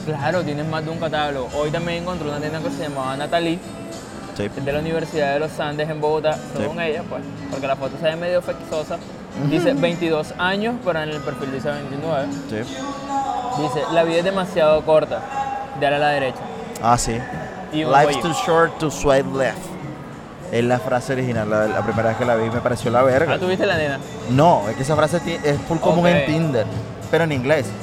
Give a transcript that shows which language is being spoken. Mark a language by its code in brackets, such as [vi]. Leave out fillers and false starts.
[es] Claro, tienes más de un catálogo. Hoy también encontré una tienda que se llamaba Natalie. Sí. De la Universidad de los Andes en Bogotá. Según ella, pues. Porque la foto se ve medio fechosa. Dice 22 años, pero en el perfil dice 29. Sí. Dice, la vida es demasiado corta. Dale a la derecha. Ah, sí. [en] Life's too short to swipe left. [es] es la frase original. La primera vez que la vi me pareció la verga. ¿Ah, tuviste la nena? No, es que esa frase es full común en Tinder, pero en inglés.